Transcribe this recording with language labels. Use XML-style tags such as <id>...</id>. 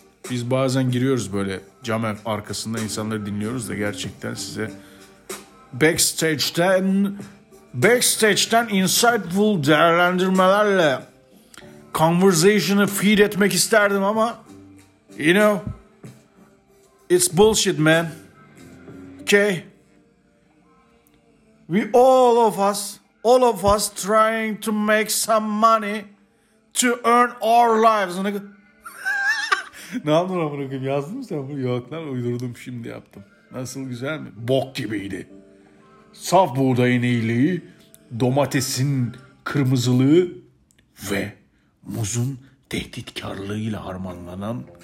<tr>Biz bazen giriyoruz böyle cam arkasında insanları dinliyoruz da gerçekten size backstage'den insightful değerlendirmelerle conversation'ı feed etmek isterdim ama</tr> <en>you know, it's bullshit, man. Okay? We all of us trying to make some money to earn our lives.</en> <tr>Ne yaptın lan bırakayım? Yazdın mı sen bunu? Yok lan, uydurdum, şimdi yaptım. Nasıl, güzel mi? Bok gibiydi. Saf buğdayın iyiliği, domatesin kırmızılığı ve muzun tehditkarlığıyla harmanlanan...</tr>